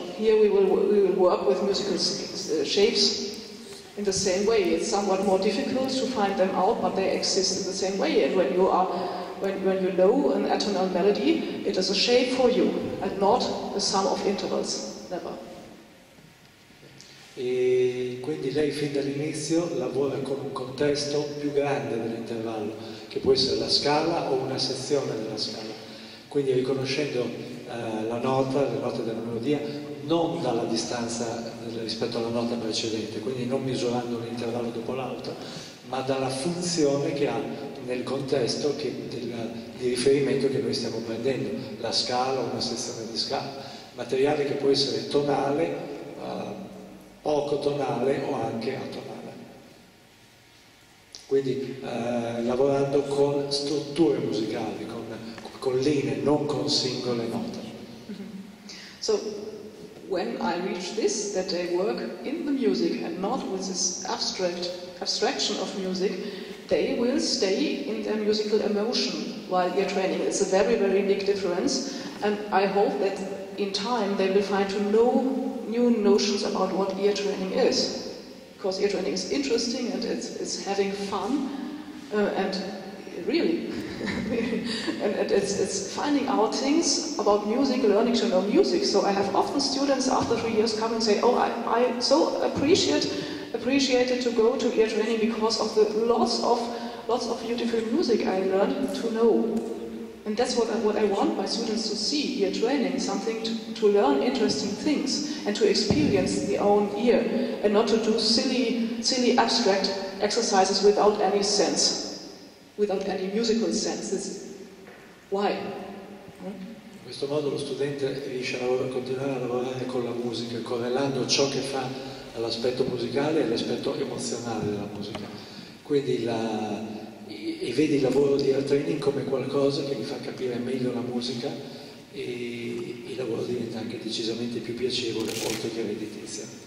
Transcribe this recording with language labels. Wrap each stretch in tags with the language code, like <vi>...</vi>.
<en>Here we will work with musical shapes in the same way. It's somewhat more difficult to find them out, but they exist in the same way. And when you know an atonal melody, it is a shape for you and not a sum of intervals, never.</en> <it>E quindi lei fin dall'inizio lavora con un contesto più grande dell'intervallo, che può essere la scala o una sezione della scala. Quindi riconoscendo le note della melodia non dalla distanza rispetto alla nota precedente, quindi non misurando un intervallo dopo l'altro, ma dalla funzione che ha nel contesto di riferimento che noi stiamo prendendo, la scala o una sezione di scala, materiale che può essere tonale, poco tonale o anche atonale. Quindi lavorando con strutture musicali, con linee, non con singole note.</it> <en>So when I reach this, that they work in the music and not with this abstraction of music, they will stay in their musical emotion while ear training. It's a very, very big difference, and I hope that in time they will find to know new notions about what ear training is, because ear training is interesting and it's having fun, and really, and it's finding out things about music, learning to know music. So I have often students after 3 years come and say, oh, I so appreciated to go to ear training because of the lots of beautiful music I learned to know. And that's what I want my students to see, ear training, something to learn interesting things and to experience the own ear and not to do silly abstract exercises without any sense, without any musical sense. Why?</en> <it>In questo modo lo studente riesce a continuare a lavorare con la musica, correlando ciò che fa all'aspetto musicale e all'aspetto emozionale della musica. Quindi e vedi il lavoro di ear training come qualcosa che gli fa capire meglio la musica e il lavoro diventa anche decisamente più piacevole oltre che redditizia.</it>